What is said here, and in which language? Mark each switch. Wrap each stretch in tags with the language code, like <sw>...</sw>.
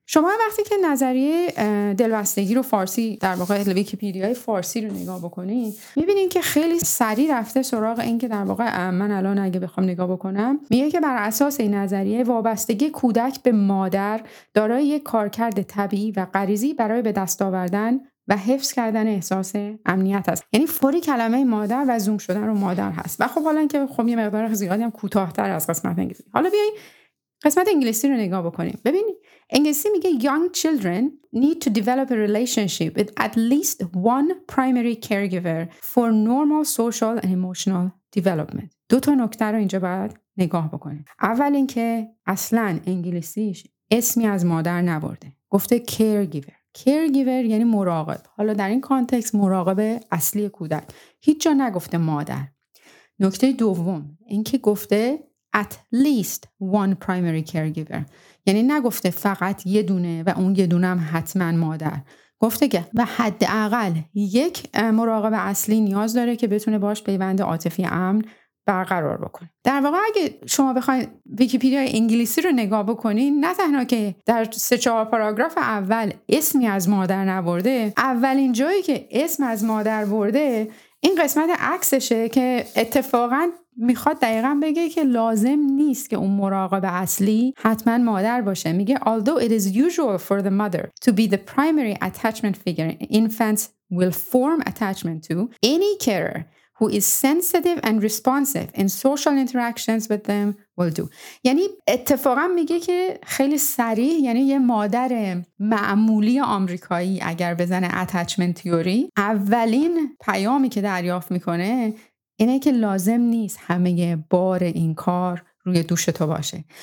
<fa>شما وقتی که نظریه دلبستگی رو فارسی در واقع ویکی‌پدیای فارسی رو نگاه بکنین میبینین که خیلی سریع رفته سراغ این که در واقع من الان اگه بخوام نگاه بکنم میگه که بر اساس این نظریه وابستگی کودک به مادر دارای یک کارکرد طبیعی و غریزی برای به دست آوردن و حفظ کردن احساس امنیت است. یعنی فوری کلمه مادر و زوم شدن رو مادر هست. و خب حالا اینکه خب یه مقدار زیادی هم کوتاه‌تر از قسمت انگلیسی. حالا بیایید قسمت انگلیسی رو نگاه بکنیم. ببینید انگلیسی میگه</fa> <en>young children need to develop a relationship with at least one primary caregiver for normal social and emotional development.</en> <fa>دو تا نکته رو اینجا باید نگاه بکنیم. اول اینکه اصلا انگلیسیش اسمی از مادر نبرده. گفته caregiver. caregiver یعنی مراقب. حالا در این کانتکست مراقب اصلی کودک. هیچ جا نگفته مادر. نکته دوم اینکه گفته</fa> <en>at least one primary caregiver.</en> <fa>یعنی نگفته فقط یه دونه و اون یه دونه هم حتما مادر. گفته که و حداقل یک مراقب اصلی نیاز داره که بتونه باش پیوند عاطفی امن برقرار بکنه. در واقع اگه شما بخواید ویکی‌پدیای انگلیسی رو نگاه بکنین نه تنها که در 3-4 پاراگراف اول اسمی از مادر نبرده، اولین جایی که اسم از مادر برده این قسمت عکسشه که اتفاقا میخواد دقیقا بگه که لازم نیست که اون مراقب اصلی حتما مادر باشه. میگه</fa> <en>although it is usual for the mother to be the primary attachment figure infants will form attachment to any carer who is sensitive and responsive in social interactions with them will do.</en> <fa>یعنی اتفاقا میگه که خیلی سریع، یعنی یه مادر معمولی آمریکایی اگر بزنه attachment theory اولین پیامی که دریافت میکنه اینه که لازم نیست همه بار این کار روی دوش تو باشه.</fa>